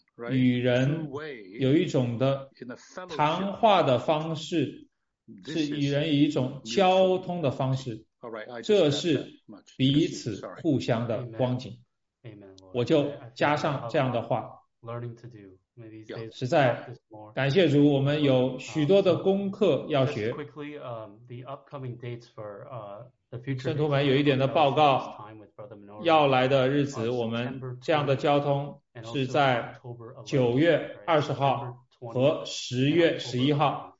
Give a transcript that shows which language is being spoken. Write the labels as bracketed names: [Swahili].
[Chinese] 与人有一种的谈话的方式，是与人以一种交通的方式，这是彼此互相的光景。我就加上这样的话。 [English] learning to do. Maybe these days, [Chinese] 实在感谢主，我们有许多的功课要学。 [English] Just quickly, the upcoming dates for the future. [Chinese] 圣徒们有一点的报告，要来的日子，我们这样的交通是在九月二十号和十月十一号。